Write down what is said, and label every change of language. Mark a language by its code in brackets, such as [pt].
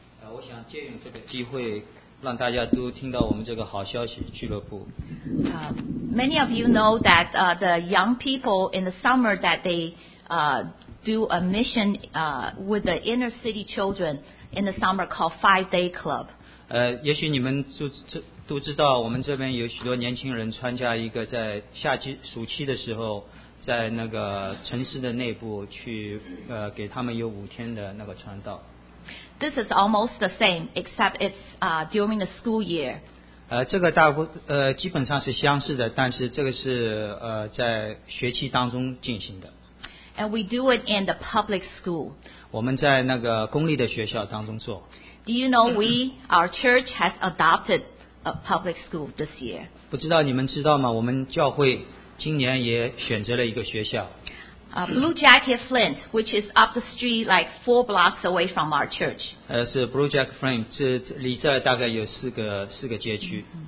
[zh] 我想借用这个机会，让大家都听到我们这个好消息俱乐部。 [en] Many of you know that the young people in the summer that they do a mission with the inner city children in the summer called Five Day Club. [zh] 也许你们都知道，我们这边有许多年轻人参加一个在夏季暑期的时候。在那个城市的内部去给他们有五天的那个传道。 [en] This is almost the same, except it's during the school year. [zh] 这个基本上是相似的，但是这个是在学期当中进行的。 [en] And we do it in the public school. [zh] 我们在那个公立的学校当中做。 [en] Do you know we, our church has adopted a public school this year? [zh] 不知道你们知道吗？我们教会。今年也选择了一个学校。 [en] Blue Jacket Flint, which is up the street like 4 blocks away from our church. [zh] 是 Blue Jacket Flint, 这离这大概有四个街区。